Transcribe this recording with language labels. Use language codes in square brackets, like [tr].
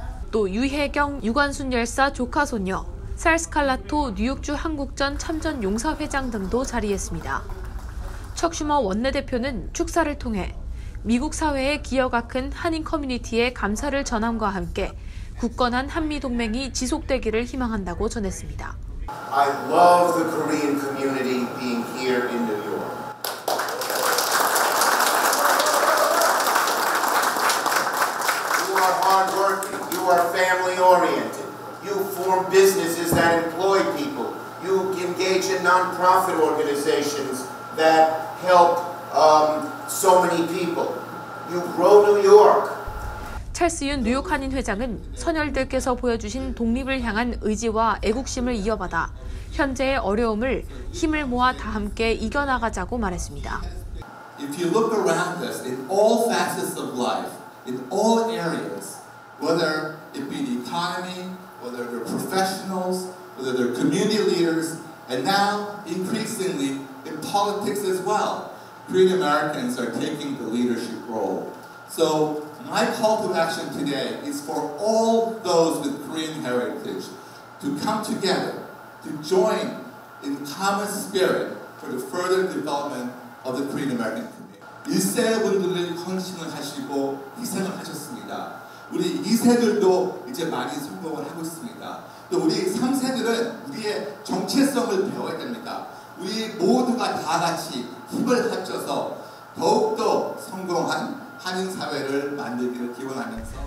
[ko] 또 유혜경 유관순 열사 조카 손녀, 살 스칼라토 뉴욕주 한국전 참전 용사회장 등도 자리했습니다. 척 슈머 원내대표는 축사를 통해 미국 사회에 기여가 큰 한인 커뮤니티에 감사를 전함과 함께 굳건한 한미동맹이 지속되기를 희망한다고 전했습니다. [en] I love the Korean community being here in New York. You are hardworking. You are family-oriented. You form businesses that employ people. You engage in non-profit organizations that help so many people. You grow New York. [ko] 찰스 윤 뉴욕 한인 회장은 선열들께서 보여주신 독립을 향한 의지와 애국심을 이어받아 현재의 어려움을 힘을 모아 다 함께 이겨나가자고 말했습니다. [en] If you look around us in all facets of life, in all areas, whether it be the economy, whether they're professionals, whether they're community leaders, and now increasingly in politics as well, Korean Americans are taking the leadership role. So my call to action today is for all those with Korean heritage to come together, to join in common spirit for the further development of the Korean American community. [ko] 1세분들이 헌신을 하시고 희생을 하셨습니다. 우리 2세들도 이제 많이 성공을 하고 있습니다. 또 우리 3세들은 우리의 정체성을 배워야 됩니다. 우리 모두가 다 같이 힘을 합쳐서 더욱더 성공한 한인 사회를 만들기를 기원하면서